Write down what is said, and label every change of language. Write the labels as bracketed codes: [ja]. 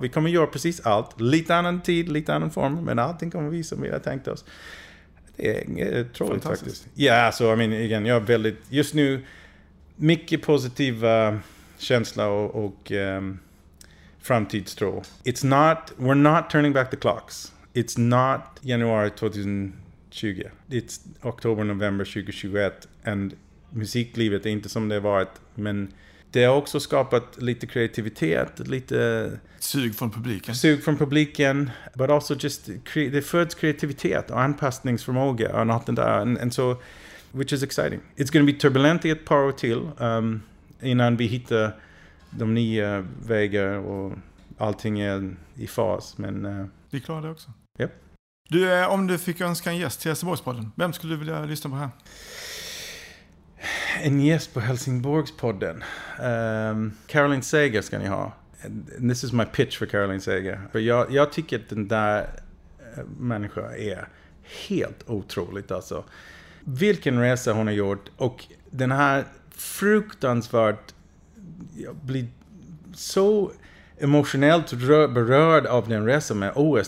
[sv] Vi kommer göra precis allt, lite annan tid, lite annan form, men allting kommer bli som vi har tänkt oss. Det är troligt faktiskt. Ja, så jag menar igen, jag är väldigt, just nu, mycket positiva känsla och framtidstro. [en] It's not, we're not turning back the clocks. It's not januari 2020. It's oktober, november 2021. [sv] And musiklivet är inte som det har varit. Men det har också skapat lite kreativitet. Lite sug från publiken. Sug från publiken. [en] But also just, [sv] det föds kreativitet och anpassningsförmåga. Och allt det där. [en] And so, which is exciting. It's going to be turbulent [sv] i ett par år till. Innan vi hittar de nya vägar och allting är i fas, men vi klarar det också. [en] Yep. [sv] Du, om du fick önska en gäst till Helsingborgspodden, vem skulle du vilja lyssna på här? En gäst på Helsingborgspodden, Caroline Seger ska ni ha. [en] And this is my pitch for Caroline Seger. [sv] För jag tycker att den där människan är helt otroligt alltså. Vilken resa hon har gjort, och den här fruktansvärt, jag blir så emotionellt berörd av den resan med OS.